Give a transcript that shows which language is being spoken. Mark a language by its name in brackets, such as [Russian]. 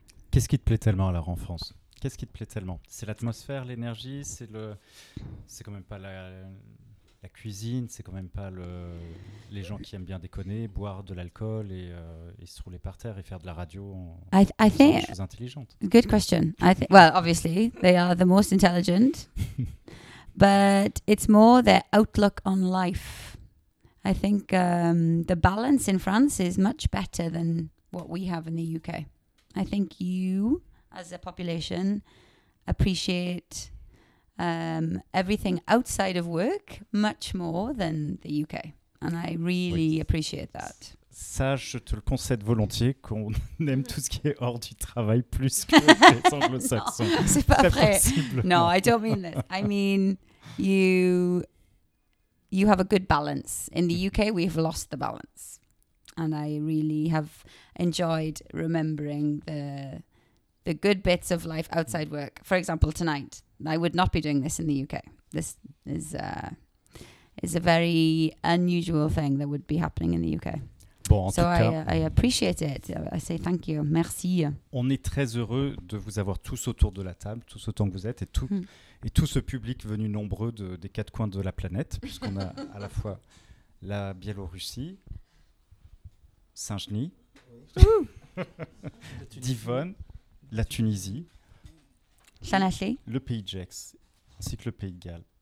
[French] Qu'est-ce qui te plaît tellement alors en France? Qu'est-ce qui te plaît tellement? C'est l'atmosphère, l'énergie, c'est le, c'est quand même pas la cuisine, c'est quand même pas les gens qui aiment bien déconner, boire de l'alcool et se rouler par terre et faire de la radio. [English] I think [French] des choses intelligentes. [English] Good question. I think, well, obviously they are the most intelligent. But it's more their outlook on life. I think the balance in France is much better than what we have in the UK. I think you, as a population, appreciate everything outside of work much more than the UK. And I really appreciate that. [French] Ça, je te le concède volontiers, qu'on aime tout ce qui est hors du travail plus que les anglo-saxons. Non, c'est pas vrai. Non, [English] I don't mean this. I mean... You have a good balance. In the UK, we've lost the balance. And I really have enjoyed remembering the good bits of life outside work. For example, tonight, I would not be doing this in the UK. This is a very unusual thing that would be happening in the UK. [French] Bon, [English] so I appreciate it. I say thank you. Merci. [French] On est très heureux de vous avoir tous autour de la table, tous autant que vous êtes, et tout... Mm. Et tout ce public venu nombreux des quatre coins de la planète, puisqu'on a à la fois la Biélorussie, Saint-Genis, Divonne, la Tunisie, le pays de Gex, ainsi que le pays de Galles.